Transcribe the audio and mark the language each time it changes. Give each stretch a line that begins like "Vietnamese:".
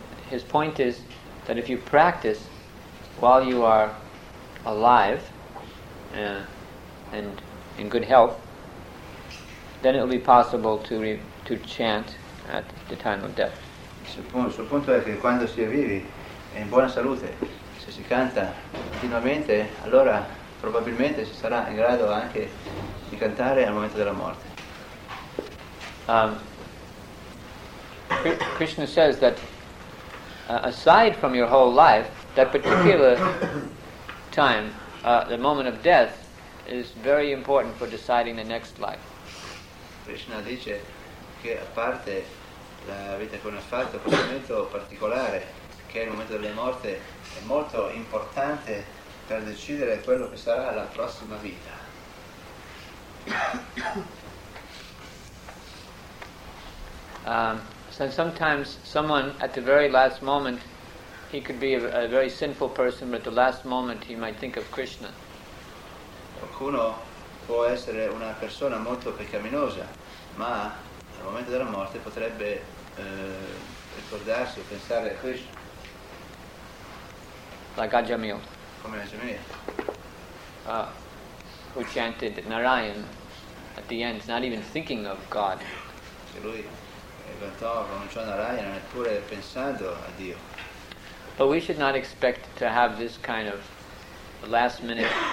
English: His point is that if you practice while you are alive and in good health, then it will be possible to chant at the time of death.
Italian: Suo punto è che quando si è vivi e in buona salute, se si canta continuamente, allora probabilmente si sarà in grado anche di cantare al momento della morte.
English: Krishna says that aside from your whole life, that particular time, the moment of death, is very important for deciding the next life.
Italian: Krishna dice che a parte la vita che uno ha fatto, questo momento particolare, che è il momento della morte, è molto importante per decidere quello che sarà la prossima vita.
English: And sometimes someone at the very last moment, he could be a very sinful person, but at the last moment he might think of Krishna.
Italian: Qualcuno può essere una persona molto peccaminosa, ma al momento della morte potrebbe ricordarsi o pensare a Krishna.
English: Like Ajamil.
Italian: Come Ajamil.
English: Who chanted Narayan at the end, not even thinking of God.
Italian: Che lui cantò pronunciando Narayan neppure pensando a Dio.
English: But we should not expect to have this kind of last minute.